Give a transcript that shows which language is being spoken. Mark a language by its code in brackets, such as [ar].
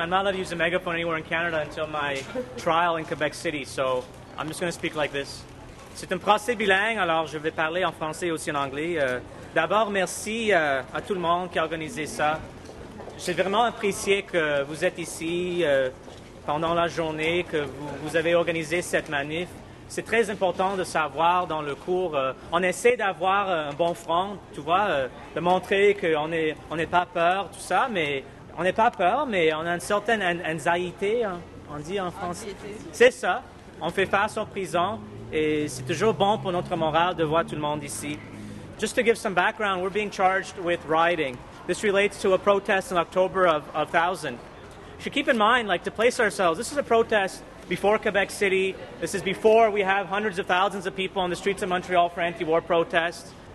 [en] I'm not allowed to use a megaphone anywhere in Canada until my trial in Quebec City. So I'm just going to speak like this. [fr] C'est un procès bilingue, alors je vais parler en français et aussi en anglais. D'abord, merci à tout le monde qui a organisé ça. J'ai vraiment apprécié que vous êtes ici pendant la journée, que vous avez organisé cette manif. C'est très important de savoir dans le cours. On essaie d'avoir un bon front, tu vois, de montrer qu'on est, on n'est pas peur, tout ça, mais on n'est pas peur, mais on a une certaine anxiété, hein, on dit en français. C'est ça. On fait face aux prisons et c'est toujours bon pour notre morale de voir tout le monde ici. [en] Just to give some background, we're being charged with rioting. This relates to a protest in October of 1000. You should keep in mind, like, to place ourselves, this is a protest before Quebec City. This is before we have hundreds of thousands of people on the streets of Montreal for anti-war protests.